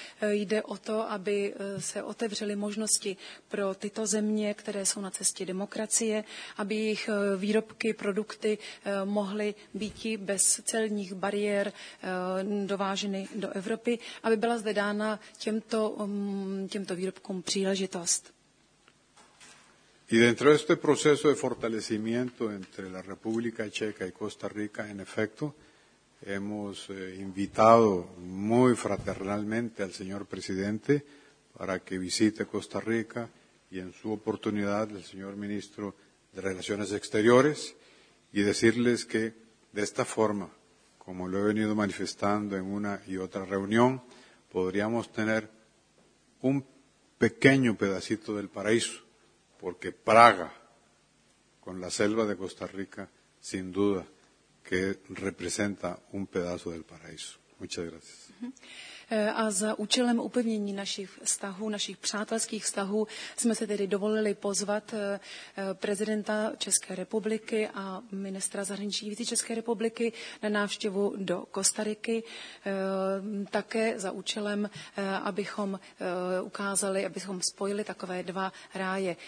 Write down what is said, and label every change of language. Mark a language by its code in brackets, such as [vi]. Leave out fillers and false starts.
[cs] Jde o to, aby se otevřely možnosti pro tyto země, které jsou na cestě demokracie, aby jejich výrobky, produkty mohly být bez celních bariér, dováženy do Evropy, aby byla zde dána těmto výrobkům příležitost. [es] Y dentro de este proceso de fortalecimiento entre la República Checa y Costa Rica, en efecto, hemos invitado muy fraternalmente al señor presidente para que visite Costa Rica y en su oportunidad el señor ministro de Relaciones Exteriores y decirles que de esta forma, como lo he venido manifestando en una y otra reunión, podríamos tener un pequeño pedacito del paraíso, porque Praga, con la selva de Costa Rica, sin duda que representa un pedazo del paraíso. Muchas gracias. [cs] A za účelem upevnění našich vztahů, našich přátelských vztahů, jsme se tedy dovolili pozvat prezidenta České republiky a ministra zahraničních věcí České republiky na návštěvu do Kostariky, také za účelem, abychom ukázali, abychom spojili takové dva ráje.